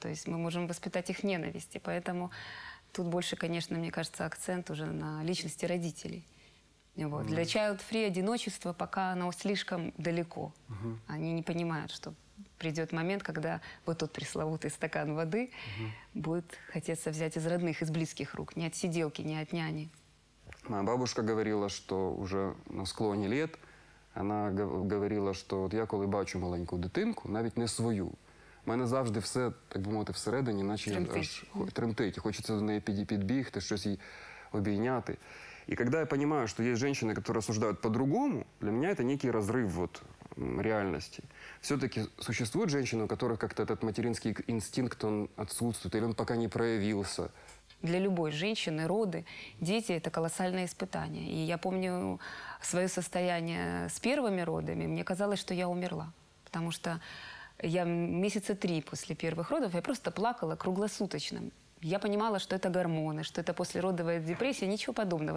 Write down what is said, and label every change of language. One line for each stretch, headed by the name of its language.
Russian: То есть мы можем воспитать их ненависть. И поэтому тут больше, конечно, мне кажется, акцент уже на личности родителей. Вот. Для child-free одиночество пока оно слишком далеко. Они не понимают, что придет момент, когда вот тот пресловутый стакан воды будет хотеться взять из родных, из близких рук, не от сиделки, не от няни. Моя бабушка говорила, что уже на склоне лет она говорила,
Ukrainian: що от я коли бачу маленьку дитинку, навіть не свою, в мене завжди все, так би мовити, всередині, наче тремтить. Хочеться до неї підбігти, щось їй обійняти. І коли я розумію, що є жінки, які розсуждають по-другому, для мене це некий розрив от, реальності. Все-таки существують жінки, у яких как-то цей материнський інстинкт відсутствує, або він поки не проявився.
Russian: Для любой женщины роды, дети – это колоссальное испытание. И я помню свое состояние с первыми родами. Мне казалось, что я умерла. Потому что я месяца три после первых родов, я просто плакала круглосуточно. Я понимала, что это гормоны, что это послеродовая депрессия, ничего подобного.